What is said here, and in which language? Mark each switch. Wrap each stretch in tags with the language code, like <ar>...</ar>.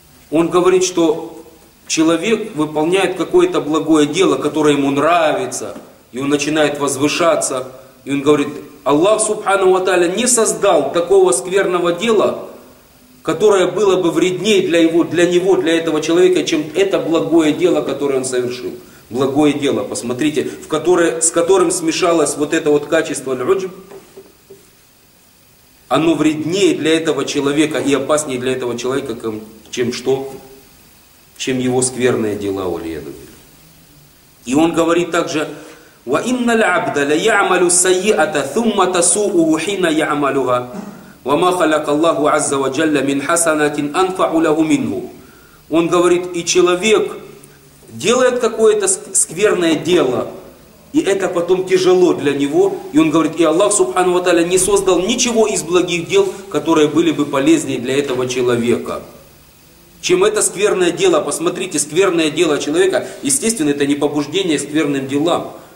<ru>Он говорит, что человек выполняет какое-то благое дело, которое ему нравится, и он начинает возвышаться, и он говорит: "Аллах Субхана ва Тааля не создал такого скверного дела, которое было бы вреднее для него, для этого человека, чем это благое дело, которое он совершил. Благое дело, посмотрите, с которым смешалось вот это вот качество аль-уджб, оно вреднее для этого человека и опаснее для этого человека, чем что? Чем его скверные дела, валиядубиль. И он говорит также,</ru> <ar>وَإِنَّ الْعَبْدَ لَيَعْمَلُ السَّيِّئَةَ ثُمَّ تَسُوءُهُ حِينَ يَعْمَلُهَا وَمَا خَلَقَ اللَّهُ عَزَّ وَجَلَّ مِنْ حَسَنَةٍ أَنْفَعُ لَهُ مِنْهُ.</ar> <ru>Он говорит, и человек делает какое-то скверное дело, и это потом тяжело для него. И он говорит, и Аллах Субхану ва Тааля не создал ничего из благих дел, которые были бы полезнее для этого человека. Чем это скверное дело, посмотрите, скверное дело человека, естественно, это не побуждение скверным делам.</ru>